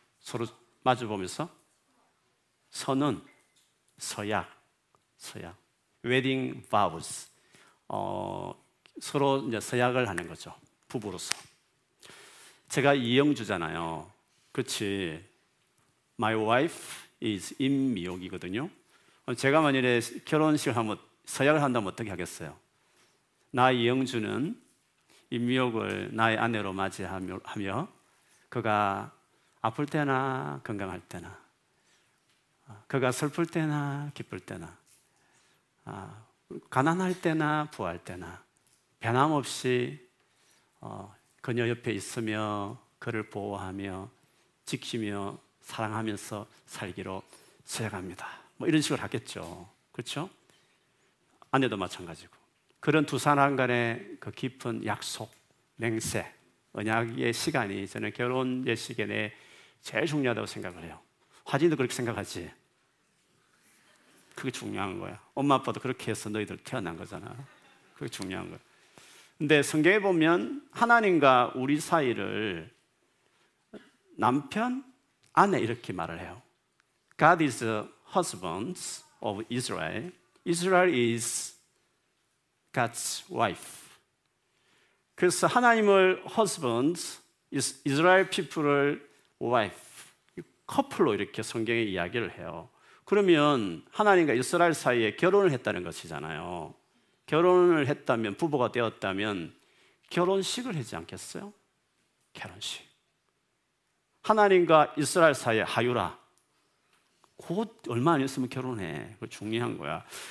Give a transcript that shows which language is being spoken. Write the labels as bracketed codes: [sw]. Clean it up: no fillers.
[ko] 서로 마주 보면서 선언, 서약, 서약, [en] wedding vows, [ko] 서로 이제 서약을 하는 거죠, 부부로서. 제가 이영주잖아요, 그렇지? [en] My wife is 임미옥이거든요. [ko] 제가 만일에 결혼식을 하면 서약을 한다면 어떻게 하겠어요? 나의 이영주는 임미옥을 나의 아내로 맞이하며 그가 아플 때나 건강할 때나 그가 슬플 때나 기쁠 때나 가난할 때나 부할 때나 변함없이 그녀 옆에 있으며 그를 보호하며 지키며 사랑하면서 살기로 서약합니다. 뭐 이런 식으로 하겠죠. 그렇죠? 아내도 마찬가지고. 그런 두 사람 간의 그 깊은 약속, 맹세, 언약의 시간이 저는 결혼 예식에 내 제일 중요하다고 생각을 해요. 화진도 그렇게 생각하지. 그게 중요한 거야. 엄마 아빠도 그렇게 해서 너희들 태어난 거잖아. 그게 중요한 거야. 근데 성경에 보면 하나님과 우리 사이를 남편, 아내 이렇게 말을 해요. [en] God is the husband of Israel. Israel is God's wife. [ko] 그래서 하나님을 husband, Israel people을 wife. 커플로 이렇게 성경에 이야기를 해요. 그러면 하나님과 이스라엘 사이에 결혼을 했다는 것이잖아요. 결혼을 했다면, 부부가 되었다면 결혼식을 하지 않겠어요? 결혼식. 하나님과 이스라엘 사이에 하유라. 곧 얼마 안 있으면 결혼해. 그거 중요한 거야.